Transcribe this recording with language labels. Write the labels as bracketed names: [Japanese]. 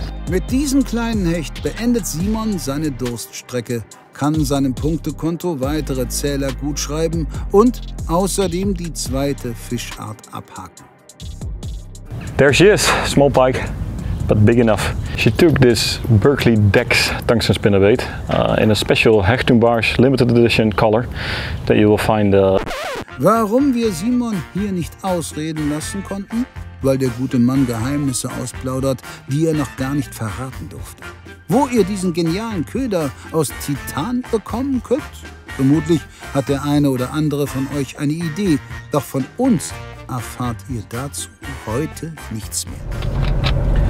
[German] Mit diesem kleinen Hecht beendet Simon seine Durststrecke, kann seinem Punktekonto weitere Zähler gutschreiben und außerdem die zweite Fischart abhaken. [English] There she is, small pike, but big enough. She took this Berkeley Dex tungsten spinnerbait in a special Hechtung Barsch limited edition color that you will find. [German] Warum wir Simon hier nicht ausreden lassen konnten? weil der gute Mann Geheimnisse ausplaudert, die er noch gar nicht verraten durfte. Wo ihr diesen genialen Köder aus Titan bekommen könnt? Vermutlich hat der eine oder andere von euch eine Idee, doch von uns erfahrt ihr dazu heute nichts mehr.